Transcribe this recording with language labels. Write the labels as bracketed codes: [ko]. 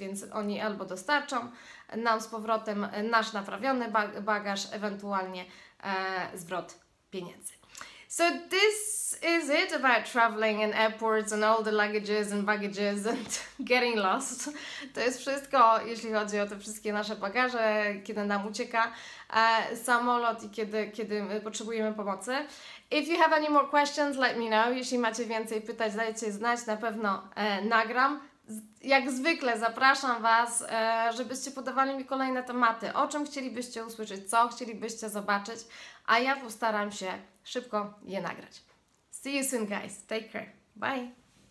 [pl] Więc oni albo dostarczą nam z powrotem nasz naprawiony bagaż, ewentualnie zwrot pieniędzy. [en] So this is it about traveling and airports and all the luggages and baggages and getting lost. [pl] To jest wszystko, jeśli chodzi o te wszystkie nasze bagaże, kiedy nam ucieka samolot i kiedy potrzebujemy pomocy. [en] If you have any more questions, let me know. [pl] Jeśli macie więcej pytań, dajcie znać, na pewno nagram. Jak zwykle zapraszam Was, żebyście podawali mi kolejne tematy, o czym chcielibyście usłyszeć, co chcielibyście zobaczyć, a ja postaram się szybko je nagrać. [en] See you soon, guys. Take care. Bye.